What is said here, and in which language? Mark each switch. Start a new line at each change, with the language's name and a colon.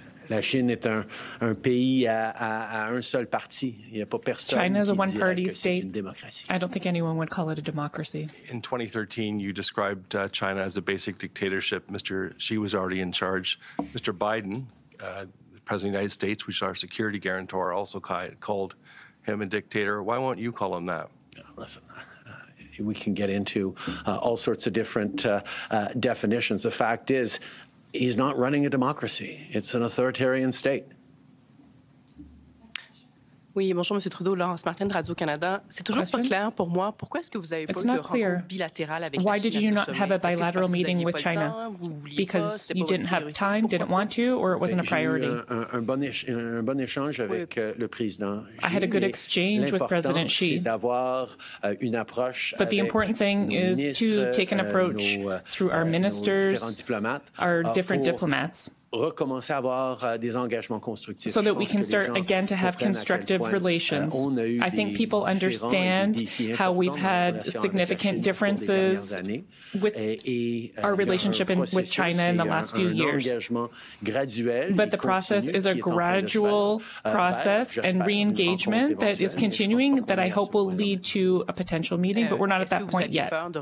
French: La Chine est un pays à un seul parti. Il n'y a pas personne.
English: China is a one-party state.
French: Une démocratie.
English: I don't think anyone would call it a democracy. In 2013, you described China as a basic dictatorship. Mr. Xi was already in charge. Mr. Biden, the President of the United States, which is our security guarantor, also called him a dictator. Why won't you call him that? Listen. We can get into all sorts of different definitions. The fact is, he's not running a democracy. It's an authoritarian state.
French: Oui, bonjour, Monsieur Trudeau, Laurence Martin de Radio-Canada. C'est toujours pas clair pour moi. Pourquoi est-ce que vous avez pas eu de rencontre bilatérale avec la
English: Chine? Why did you not have a bilateral meeting with China? Because you didn't have time, didn't want to, or it wasn't a priority?
French: Un bon échange avec le président.
English: I had a good exchange with President Xi.
French: L'important, c'est d'avoir une approche.
English: But the important thing is to take an approach through our ministers, our different diplomats.
French: recommencer à avoir des engagements constructifs.
English: So that we can start again to have constructive relations. I think people understand how we've had significant differences with our relationship with China in the last few years. But the process is a gradual process and re-engagement that is continuing that I hope will lead to a potential meeting, but we're not at that point yet.